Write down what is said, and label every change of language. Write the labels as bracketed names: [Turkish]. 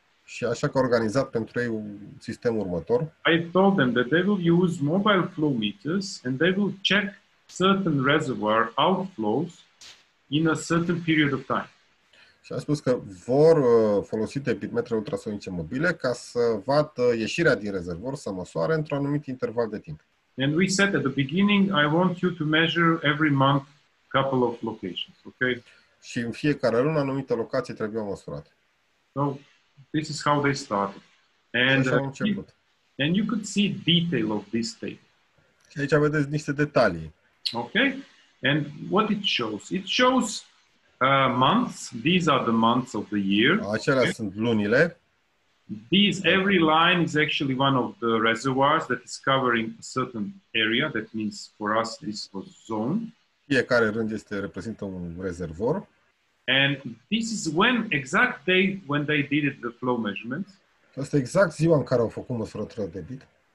[Romanian] Și așa că organizat pentru ei un sistem următor. [English] I told them that they will use mobile flow meters and they will check certain reservoir outflows in a certain period of time. [Romanian] Și a spus că vor folosi debitmetre ultrasonice mobile ca să vadă ieșirea din rezervor, să măsoare într-un anumit interval de timp. [English] And we said at the beginning, I want you to measure every month couple of locations, okay? [Romanian] Și în fiecare lună anumite locații trebuie măsurate. [English] So, this is how they started. And you could see detail of this table. [Romanian] Și aici vedeți niște detalii. [English] Okay. And what it shows? It shows months. These are the months of the year. [Romanian] Acelea okay. Sunt lunile. [English] These, every line is actually one of the reservoirs that is covering a certain area. That means for us this was zone. [Romanian] Fiecare rând este reprezintă un rezervor. [English] And this is when exact day when they did it, the flow measurements. [Romanian] Asta e exact ziua în care au făcut măsurătura de debit.